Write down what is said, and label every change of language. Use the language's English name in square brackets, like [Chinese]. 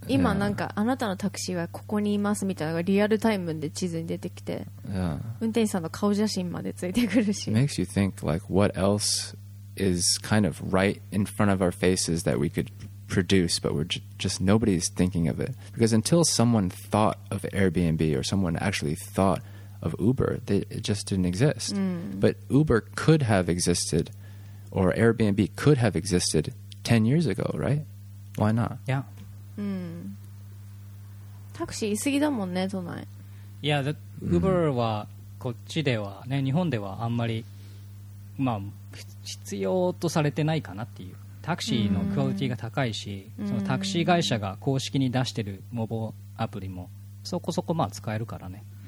[Japanese] 今なんかあなたのタクシーはここにいますみたいなのがリアルタイムで地図に出てきて、運転手さんの顔写真までついてくるし。 [English] Makes you think like what else is kind of right in front of our faces that we could produce, but we're just nobody's thinking of it. Because until someone thought of Airbnb or someone actually thought of Uber, it just didn't exist. But Uber could have existed, or Airbnb could have existed 10 years ago, right? Why not? Yeah. [Japanese] タクシー過ぎだもんね、都内。いや、Uber はこっちではね、日本ではあんまり、まあ、必要とされてないかなっていう。タクシーのクオリティが高いし、そのタクシー会社が公式に出してるモバイルアプリもそこそこまあ使えるからね。